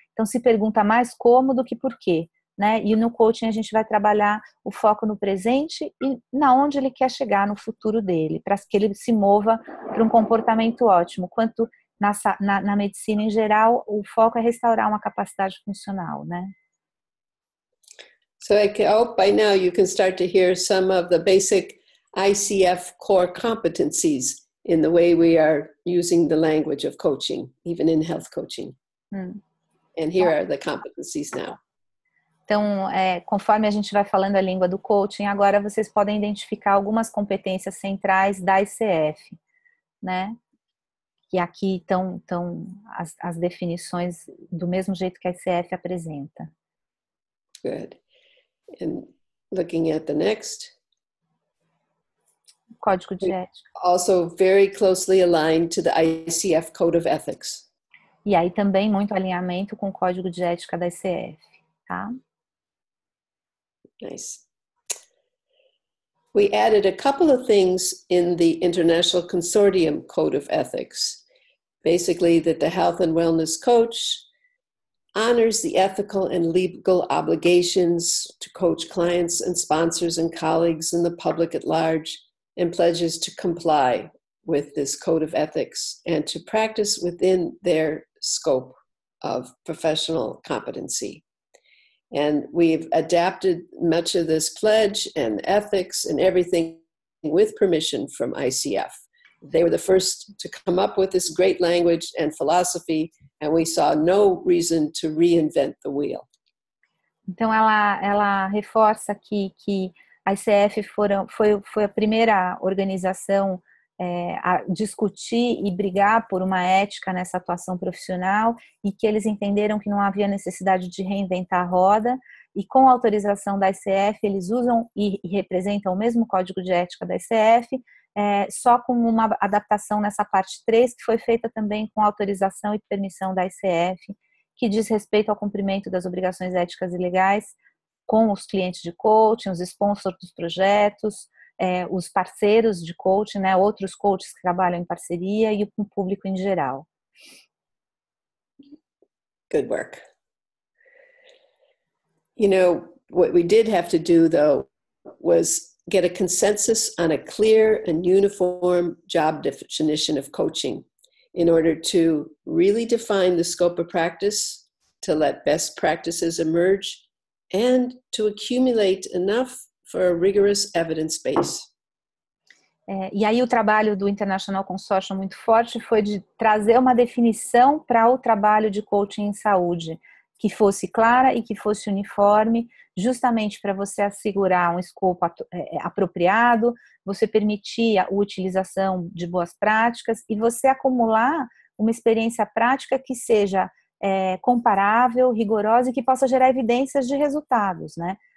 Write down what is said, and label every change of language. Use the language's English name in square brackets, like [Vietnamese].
[Portuguese] Então se pergunta mais como do que por quê, né? E no coaching a gente vai trabalhar o foco no presente e na onde ele quer chegar no futuro dele, para que ele se mova para um comportamento ótimo. Quanto na medicina em geral, o foco é restaurar uma capacidade funcional, né? [English] So I hope by now you can start to hear some of the basic ICF core competencies in the way we are using the language of coaching, even in health coaching. And here are the competencies now. [Portuguese] Então, conforme a gente vai falando a língua do coaching, agora vocês podem identificar algumas competências centrais da ICF, né? E aqui estão as definições do mesmo jeito que a ICF apresenta. [English] Good. And looking at the next. [Portuguese] Código de ética. [English] Also very closely aligned to the ICF Code of Ethics. [Portuguese] E aí também muito alinhamento com o código de ética da ICF, tá? [English] Nice. We added a couple of things in the International Consortium Code of Ethics. Basically, that the health and wellness coach honors the ethical and legal obligations to coach clients and sponsors and colleagues and the public at large and pledges to comply with this code of ethics and to practice within their scope of professional competency. And we've adapted much of this pledge and ethics and everything with permission from ICF. They were the first to come up with this great language and philosophy, and we saw no reason to reinvent the wheel. [Portuguese] Então ela reforça aqui que a ICF foi a primeira organização a discutir e brigar por uma ética nessa atuação profissional e que eles entenderam que não havia necessidade de reinventar a roda e com a autorização da ICF eles usam e representam o mesmo código de ética da ICF, só com uma adaptação nessa parte 3 que foi feita também com autorização e permissão da ICF, que diz respeito ao cumprimento das obrigações éticas e legais com os clientes de coaching, os sponsors dos projetos, os parceiros de coaching, né, outros coaches que trabalham em parceria e com o público em geral. [English] Good work. You know, what we did have to do, though, was get a consensus on a clear and uniform job definition of coaching in order to really define the scope of practice, to let best practices emerge, and to accumulate enough for a rigorous evidence base. [Portuguese] E aí o trabalho do International Consortium muito forte foi de trazer uma definição para o trabalho de coaching em saúde, que fosse clara e que fosse uniforme, justamente para você assegurar um escopo apropriado, você permitir a utilização de boas práticas e você acumular uma experiência prática que seja comparável, rigorosa e que possa gerar evidências de resultados, né?